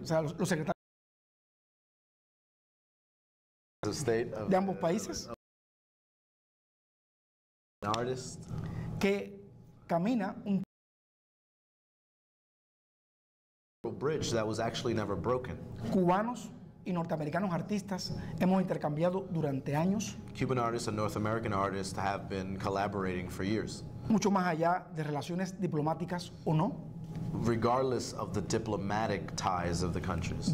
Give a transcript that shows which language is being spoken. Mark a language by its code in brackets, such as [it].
[es] O sea, los secretarios de ambos países. [en] An artist [es] que camina un [en] bridge that was actually never broken. [es] Cubanos y norteamericanos artistas hemos intercambiado durante años. [en] Cuban artists and North American artists have been collaborating for years. [es] Mucho más allá de relaciones diplomáticas o no. [en] Regardless of the diplomatic ties of the countries.